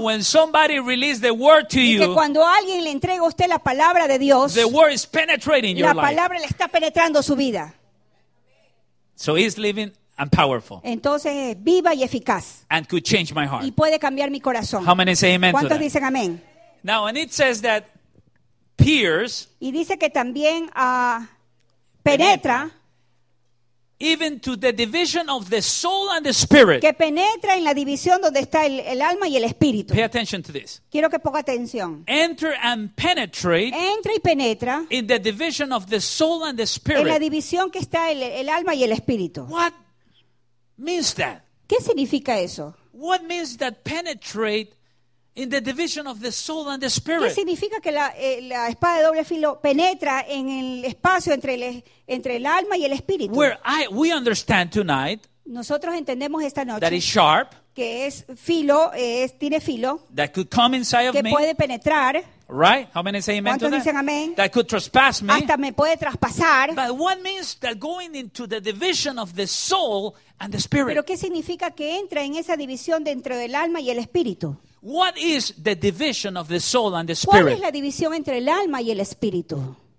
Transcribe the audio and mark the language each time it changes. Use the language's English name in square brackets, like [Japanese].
[English] and when somebody releases the word to you, [Spanish] y que cuando alguien le entrega a usted la palabra de Dios, [English] the word is penetrating your [Spanish] life. La palabra [English] life. [Spanish] Le está penetrando su vida. [English] So he's living and powerful. [Spanish] Entonces, viva y eficaz. [English] And could change my heart. [Spanish] Y puede cambiar mi corazón. [English] How many say amen? [Spanish] ¿Cuántos [English] to [Spanish] dicen amén? [English] Now, and it says that pierce, [Spanish] y dice que también penetra. [English] Even to the division of the soul and the spirit. [Spanish] Que penetra en la división donde está el alma y el espíritu. [English] Pay attention to this. [Spanish] Quiero que ponga atención. [English] Enter and penetrate. [Spanish] Entra y penetra. [English] In the division of the soul and the spirit. [Spanish] En la división que está el alma y el espíritu. [English] What means that? [Spanish] ¿Qué significa eso? [English] What means that penetrate in the division of the soul and the spirit? [Spanish] ¿Qué significa que la espada de doble filo penetra en el espacio entre el alma y el espíritu? [English] We understand tonight. [Spanish] Nosotros entendemos esta noche. [English] That is sharp. [Spanish] Que es filo, tiene filo. [English] That could come inside of me. [Spanish] Que puede penetrar. [English] Right? How many say amen to that? [Spanish] ¿Cuántos dicen amén? [English] That could trespass me. [Spanish] Hasta me puede traspasar. [English] But what means that going into the division of the soul and the spirit? [Spanish] ¿Pero qué significa que entra en esa división dentro del alma y el espíritu? [English] What is the division of the soul and the spirit? [Spanish] ¿Cuál es la división entre el alma y el espíritu?